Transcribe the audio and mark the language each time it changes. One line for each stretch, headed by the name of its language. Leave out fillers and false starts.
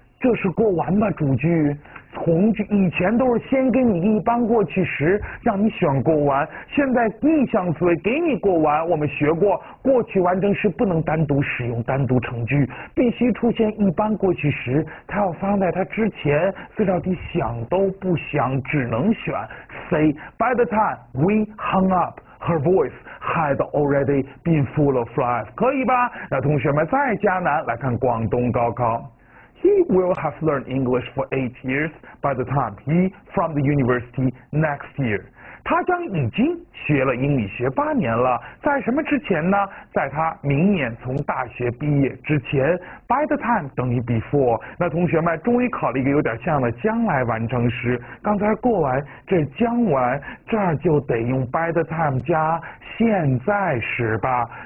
Chinese: 这是过完吧，主句，从句以前都是先给你一般过去时，让你选过完。现在逆向思维给你过完，我们学过过去完成时不能单独使用单独成句，必须出现一般过去时，它要发生在它之前。这道题想都不想，只能选 C。
English: By the time we hung up, her voice had already been full of life。
Chinese: 可以吧？那同学们再加难，来看广东高考。
English: He will have learned English for 8 years by the time he from the university next year。
Chinese: 他将已经学了英语学八年了，在什么之前呢？在他明年从大学毕业之前。 By the time 等于 before。那同学们终于考了一个有点像的将来完成时，刚才过完，这将完，这儿就得用 by the time 加现在时吧。